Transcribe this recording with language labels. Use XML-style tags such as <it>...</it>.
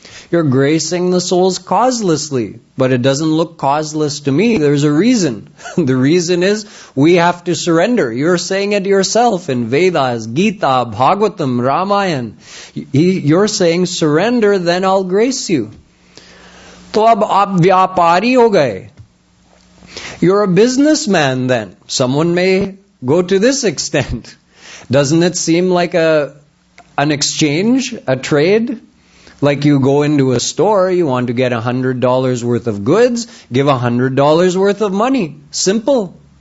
<en>You're gracing the souls causelessly, but it doesn't look causeless to me. There's a reason. The reason is we have to surrender. You're saying it yourself in Vedas, Gita, Bhagavatam, Ramayan. You're saying, surrender, then I'll grace you.</en> <hi>तो अब आप व्यापारी हो गए.</hi> <en>You're a businessman then. Someone may go to this extent. Doesn't it seem like an exchange, a trade? Like you go into a store, you want to get $100 worth of goods, give $100 worth of money. Simple.</en>